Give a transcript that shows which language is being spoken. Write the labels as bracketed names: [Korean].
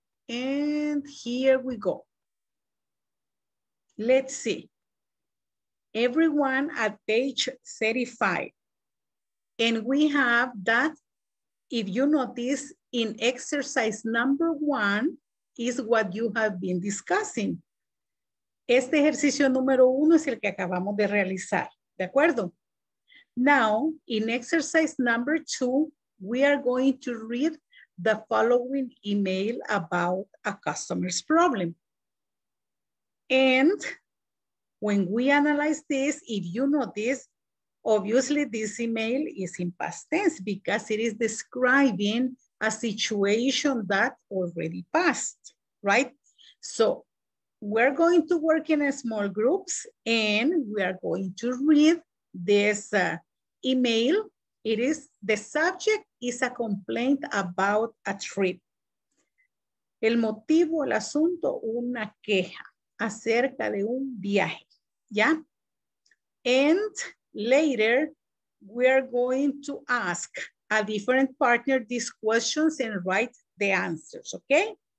[English] And here we go. Let's see. Everyone at page 35. And we have that, if you notice, in exercise number one is what you have been discussing. [Spanish] Este ejercicio número uno es el que acabamos de realizar, ¿de acuerdo? [English] Now, in exercise number two, we are going to read the following email about a customer's problem. And when we analyze this, if you notice, obviously this email is in past tense because it is describing a situation that already passed, right? So we're going to work in small groups and we are going to read this email. It is, the subject is a complaint about a trip. [Spanish] El motivo, el asunto, una queja acerca de un viaje, ¿ya? [English] And later, we are going to ask a different partner these questions and write the answers, okay?